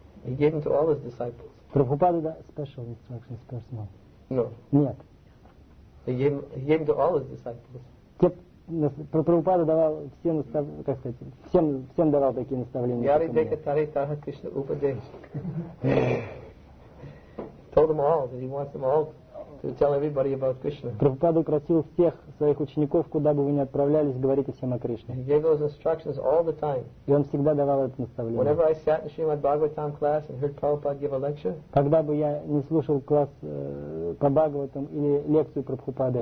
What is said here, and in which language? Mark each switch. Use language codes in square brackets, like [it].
[en] He gave them to all his disciples. Prabhupada got special instructions personally. No. [ru] Нет. [en] He gave to all his disciples. [ru] Прабхупада давал всем, как сказать, всем давал такие наставления. [bn] Яри дека таре таха кришна упадеш. [en] Told them all that he wants them all to tell everybody about Krishna. [ru] Прабхупада просил всех своих учеников, куда бы вы ни отправлялись, говорить всем о Кришне. [en] He gave those instructions all the time. [ru] И он всегда давал это наставление. [en] Whenever I sat in Srimad Bhagavatam class and heard Prabhupada give a lecture, [ru] когда бы я не слушал класс по Бхагаватам или лекцию Прабхупады,